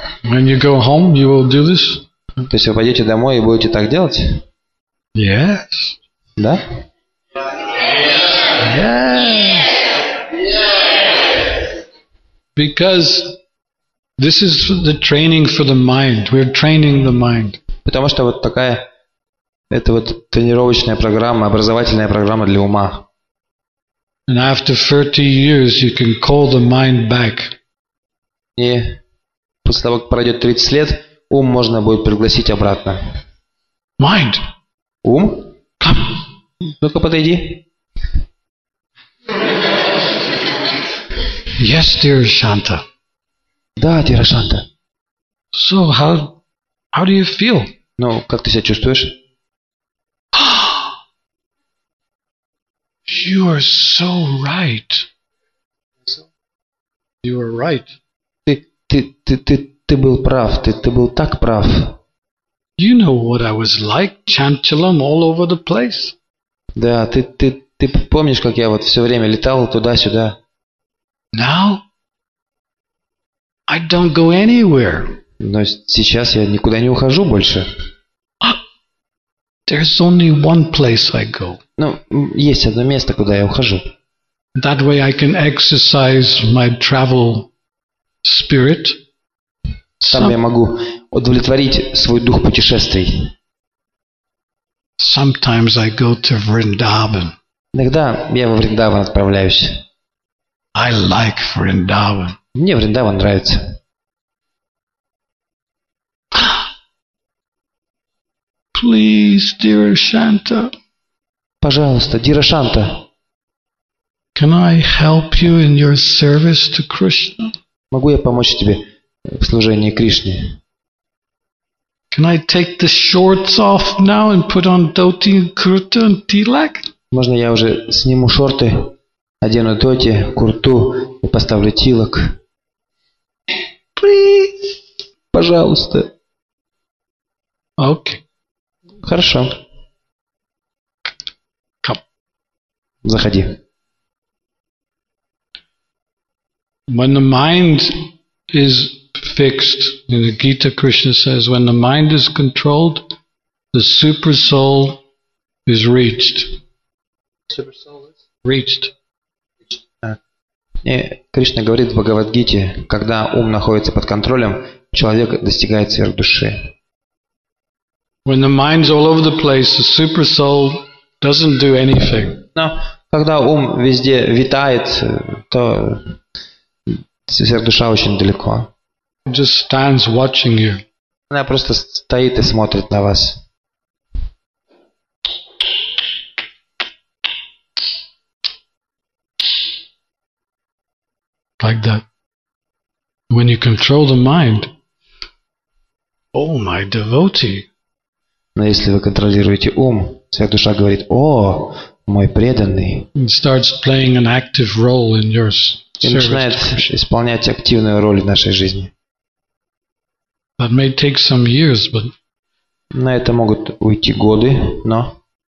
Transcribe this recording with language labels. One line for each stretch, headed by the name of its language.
English: When you go home, you will do this?
Russian: То есть вы пойдете домой и будете так делать?
English: Yes.
Russian: Да?
English: Yes. Because this is the training for the mind. We're training the mind.
Russian: Потому что вот такая. Это вот тренировочная программа, образовательная программа для ума.
English: And after 30 years you can call the mind back.
Russian: И после того, как пройдет 30 лет, ум можно будет пригласить обратно.
English: Mind.
Russian: Ум?
English: Come.
Russian: Ну-ка подойди.
English: Yes, dear Shanta.
Russian: Да,
English: dear Shanta. So how do you feel?
Russian: Ну, как ты себя чувствуешь?
English: You are so right. You are right.
Russian: Ты был прав. Ты был так прав.
English: You know what I was like, Chanchalam, all over the place.
Russian: Да, ты помнишь, как я вот все время летал туда-сюда.
English: Now I don't go anywhere.
Russian: Но сейчас я никуда не ухожу больше.
English: There's only one place I go.
Russian: Ну, есть одно место, куда я ухожу.
English: That way I can exercise my travel spirit.
Russian: Там я могу удовлетворить свой дух путешествий.
English: Sometimes I go to Vrindavan.
Russian: Иногда я во Вриндаван отправляюсь.
English: I like Vrindavan.
Russian: Мне Вриндаван нравится.
English: Please, dear Shanta.
Russian: Пожалуйста,
English: dear Shanta. Can I help you in your service to Krishna?
Russian: Могу я помочь тебе в служении Кришне?
English: Can I take the shorts off now and put on dhoti, kurta and tilak?
Russian: Можно я уже сниму шорты, одену дхоти, курту и поставлю тилак?
English: Please.
Russian: Пожалуйста.
English: Okay.
Russian: Хорошо.
English: Come.
Russian: Заходи.
English: When the mind is fixed, in the Gita, Krishna says, when the mind is controlled, the super soul is reached. Super soul is reached.
Russian: И Кришна говорит в Бхагавад-гите, когда ум находится под контролем, человек достигает сверхдуши.
English: When the mind's all over the place, the super soul doesn't do anything.
Russian: Но когда ум везде витает, то сверхдуша очень далеко.
English: Just stands watching you.
Russian: Она просто стоит и смотрит на вас.
English: Like that. When you control the mind, oh my devotee.
Russian: Но если вы контролируете ум, сверхдуша говорит: «О, мой преданный!»
English: It starts playing an active role in your service.
Russian: И начинает исполнять активную роль в нашей жизни.
English: That may take some years, but
Russian: на это могут уйти годы, но